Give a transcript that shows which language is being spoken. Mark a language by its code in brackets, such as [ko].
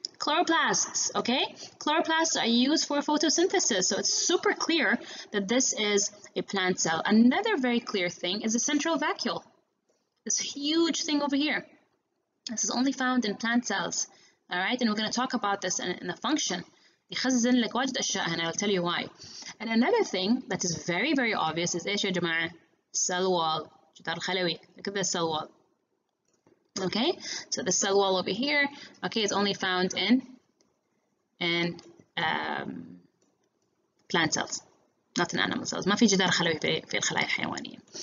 [en] Chloroplasts, okay? Chloroplasts are used for photosynthesis, so it's super clear that this is a plant cell. Another very clear thing is the central vacuole. This huge thing over here. This is only found in plant cells, all right? And we're going to talk about this in the function. [ar] يخزن لك واجد أشياء هنا, [en] I'll tell you why. And another thing that is very, very obvious is [ar] إيش يا جماعة? [en] Cell wall. [ar] جدار الخلوي. [en] Look at this cell wall. Okay, so the cell wall over here, okay, is only found in plant cells, not in animal cells. [ar] ما في جدار خلوي في الخلايا الحيوانية.